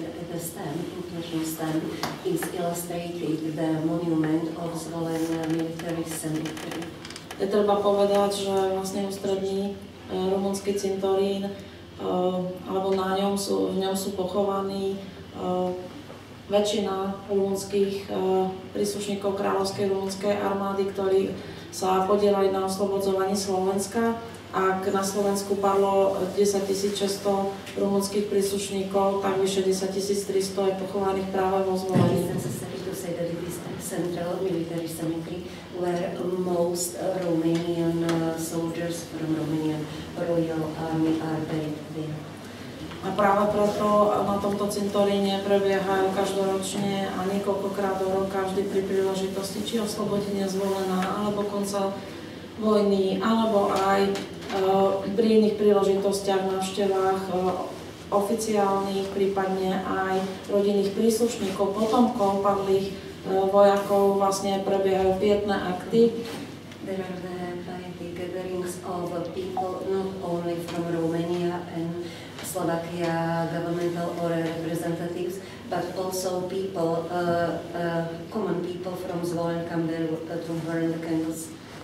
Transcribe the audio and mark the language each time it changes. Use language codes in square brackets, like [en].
[en] The stamp, international stamp, is illustrated the monument of Zvolen military cemetery. [sk] Je treba povedať, že vlastne ústrední rumunský cintorín alebo na ňom sú, v ňom sú pochovaní väčšina rumunských príslušníkov kráľovskej rumunskej armády, ktorí sa podielali na oslobodzovaní Slovenska. Ak na Slovensku padlo 10 600 rumunských príslušníkov, tak vyše 10 300 je pochovaných práve vo Zvolení. [en] Central military cemetery where most Romanian soldiers from Romanian Royal Army are buried there. [sk] A práve preto na tomto cintoríne prebiehajú každoročne a niekoľkokrát do roka vždy pri príležitosti či oslobodenia Zvolena alebo konca vojny alebo aj pri iných príležitostiach, návštevách oficiálnych, prípadne aj rodinných príslušníkov, potomkov padlých vojakov vlastne prebiehajú pietné akty. [en] There are the pietné gatherings of people not only from Romania and Slovakia governmental or representatives, but also people, common people from Zvolen come there to burn the candles.